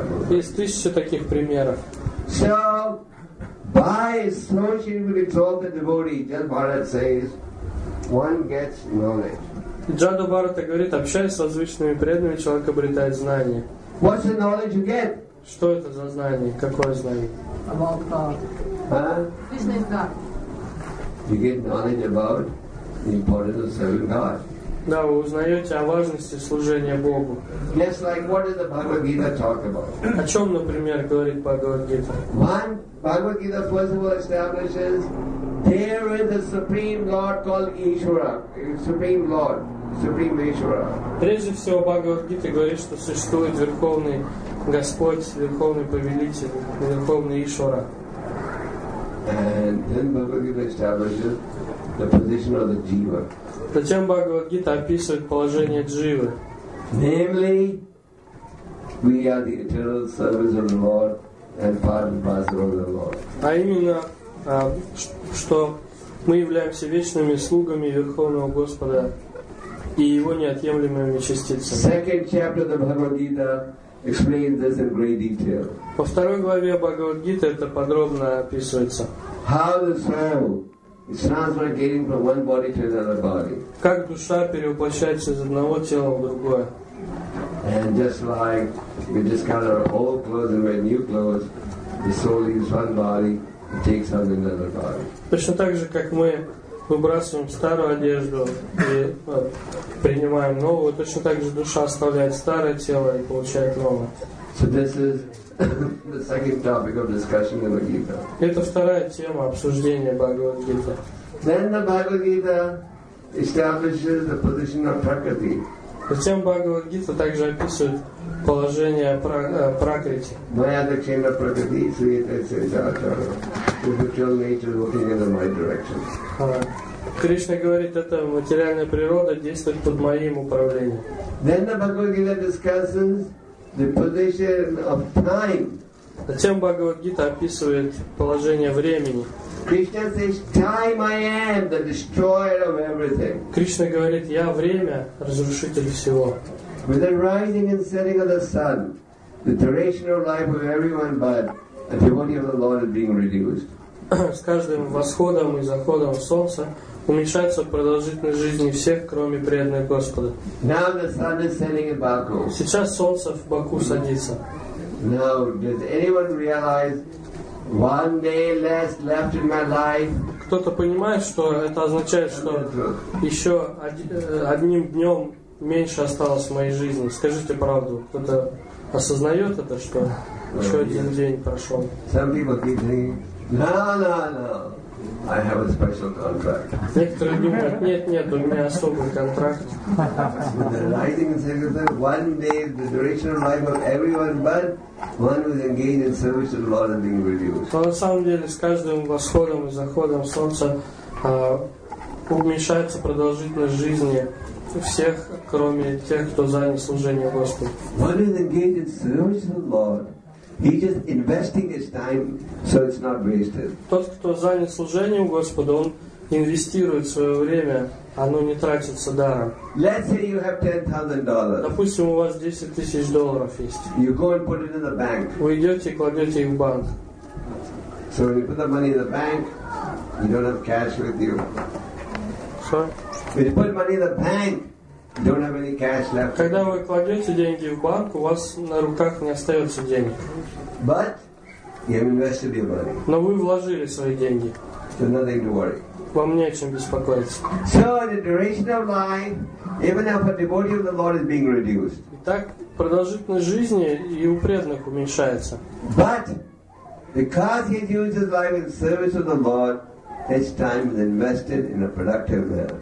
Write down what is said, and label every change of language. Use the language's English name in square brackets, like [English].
[Russian] Есть тысячи таких примеров. [English] So, by associating with the devotee, Jada Bharata says, one gets knowledge. [Russian] Джада Бхарата говорит, общаясь с возвышенными преданными, человек обретает знание. [English] What's the knowledge you get? [Russian] Что это за знание? Какое знание? [English] About God. Huh? Krishna is God. You get knowledge about the importance of serving God. [Russian] Да, вы узнаете о важности служения Богу. [English] Just like what does the Bhagavad Gita talk about? [Russian] О чем, например, говорит Бхагавад Гита? [English] One Bhagavad Gita first of all establishes there is a supreme Lord called Ishvara, supreme Lord, supreme Ishvara. [Russian] Прежде всего Бхагавад Гита говорит, что существует верховный Господь, верховный повелитель, верховный Ишвара. [English] And then Bhagavad Gita establishes the position of the jiva. [Russian] Затем Бхагавад Гита описывает положение дживы. [English] Namely, we are the eternal servants of the Lord and part and parcel of the Lord. [Russian] А именно, что мы являемся вечными слугами Верховного Господа и Его неотъемлемыми частицами. [English] Second chapter of the Bhagavad Gita explains this in great detail. [Russian] Во второй главе Бхагавад Гита это подробно описывается. [English] How the soul is transferring from one body to another body. [Russian] Как душа перевоплощается из одного тела в другое. [English] And just like we discard our old clothes and wear new clothes, the soul leaves one body and takes on another body. [Russian] Точно так же, как мы выбрасываем старую одежду и принимаем новую, точно так же душа оставляет старое тело и получает новое. [English] So this is the second topic of discussion in the Gita. [Russian] Это вторая тема обсуждения Бхагавад-гиты. [English] Then the Bhagavad-gita establishes the position of Prakriti. [Russian] Затем Бхагавад-гита также описывает положение Пракрити. [Sanskrit] Майадакшина Пракрити, Свитая-Сарачара. [English] Spiritual nature working in my direction. [Russian] Кришна говорит, это материальная природа действует под моим управлением. [English] Then the Bhagavad-gita discusses the position of time. [Russian] Затем Бхагавад-гита описывает положение времени. [English] Krishna says, "Time, I am the destroyer of everything." [Russian] Кришна говорит, я время, разрушитель всего. [English] With the rising and setting of the sun, the duration of life of everyone but the devotee of the Lord is being reduced. [Russian] С каждым восходом и заходом солнца уменьшается продолжительность жизни всех, кроме преданных Господа. [English] Now the sun is setting in Baku. [Russian] Сейчас солнце в Баку садится. [English] Now, does anyone realize? One day less left in my life. [Russian] Кто-то понимает, что это означает, что еще одним днем меньше осталось в моей жизни. Скажите правду. Кто-то осознает это, что еще один день прошел. [English] Some people keep saying, no. I have a special contract. [Russian] Некоторые думают, нет, у меня особый контракт. [English] With the rising and setting of the sun, one day the duration of life of everyone but one who is engaged in service to the Lord is being reduced. [Russian] На самом деле, с каждым восходом и заходом солнца уменьшается продолжительность жизни всех, кроме тех, кто занят служением Господу. [English] One who is engaged in service to the Lord, he's just investing his time so it's not wasted. [Russian] Тот, кто занят служением Господу, он инвестирует свое время, оно не тратится даром. [English] Let's say you have $10,000. [Russian] Допустим, у вас 10 тысяч долларов есть. [English] You go and put it in the bank. [Russian] Вы идете и кладете их в банк. [English] So when you put the money in the bank, you don't have cash with you. [Russian] Что? [English] When you put money in the bank, you don't have any cash left. [Russian] Когда вы кладете деньги в банк, у вас на руках не остается денег. [English] But you have invested your money. [Russian] Но вы вложили свои деньги. [English] So nothing to worry. [Russian] Вам не о чем беспокоиться. [English] So the duration of life, even if a devotee of the Lord is being reduced. [Russian] Итак, продолжительность жизни и у преданных уменьшается. [English] But because he uses life in service of the Lord, his time is invested in a productive manner.